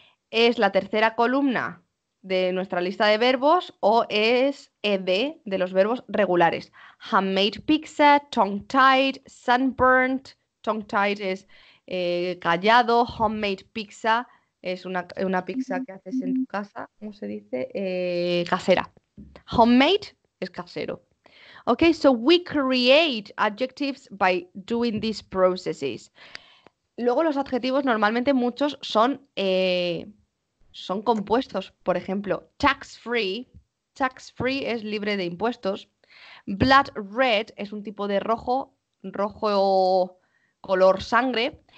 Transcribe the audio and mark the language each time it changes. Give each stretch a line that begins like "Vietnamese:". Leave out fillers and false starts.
Spanish: ¿Es la tercera columna de nuestra lista de verbos o es ed de los verbos regulares?
English: Handmade pizza, tongue-tied, sunburnt. Tongue-tied es
Spanish: callado, homemade pizza, es una pizza que haces en tu casa, ¿cómo se dice? Casera. Homemade es casero.
English: Okay, so we create adjectives by doing these processes.
Spanish: Luego los adjetivos normalmente muchos son, son compuestos. Por ejemplo, tax-free es libre de impuestos. Blood red es un tipo de rojo, rojo color sangre.